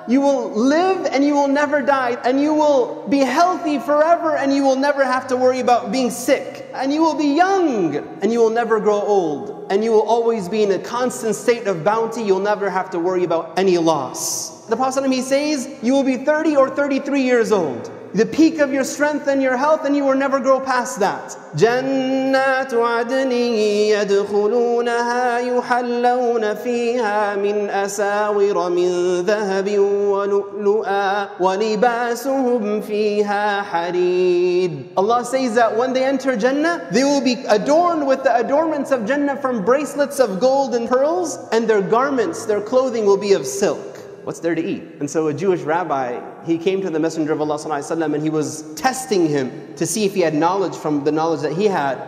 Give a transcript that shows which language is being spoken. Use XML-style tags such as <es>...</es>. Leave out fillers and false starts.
<en>You will live and you will never die, and you will be healthy forever, and you will never have to worry about being sick, and you will be young and you will never grow old, and you will always be in a constant state of bounty. You'll never have to worry about any loss. The Prophet ﷺ, he says, you will be 30 or 33 years old, the peak of your strength and your health, and you will never grow past that.</en> <ar>جنات عدن يدخلونها يحلون فيها من أساور من ذهب ولؤلؤا ولباسهم فيها حرير.</ar> <en>Allah says that when they enter Jannah, they will be adorned with the adornments of Jannah from bracelets of gold and pearls, and their garments, their clothing will be of silk. What's there to eat? And so a Jewish rabbi, he came to the Messenger of Allah sallallahu alaihi wasallam, and he was testing him to see if he had knowledge from the knowledge that he had.</en>